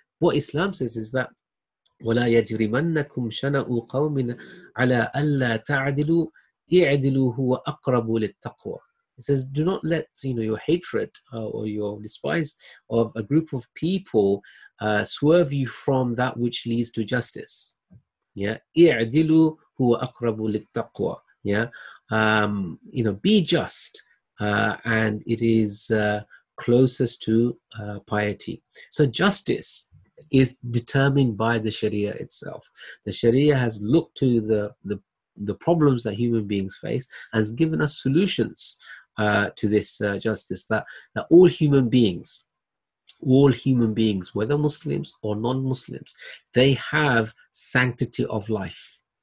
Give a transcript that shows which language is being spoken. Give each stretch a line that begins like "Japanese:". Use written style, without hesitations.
English: What Islam says is that
Arabic: وَلَا يَجْرِمَنَّكُمْ شَنَأُ قَوْمٍ عَلَىٰ أَلَّا تَعْدِلُوا اِعْدِلُوا هُوَ أَقْرَبُ لِلتَّقْوَىٰ.
English: It says, do not let, you know, your hatred or your despise of a group of people swerve you from that which leads to justice. Yeah,
Arabic: اِعْدِلُوا هُوَ أَقْرَبُ لِلتَّقْوَىٰ.
English: Yeah, you know, be just, and it is closest to piety. So justice is determined by the Sharia itself. The Sharia has looked to the problems that human beings face and has given us solutions to this justice, that all human beings, whether Muslims or non-Muslims, they have sanctity of life.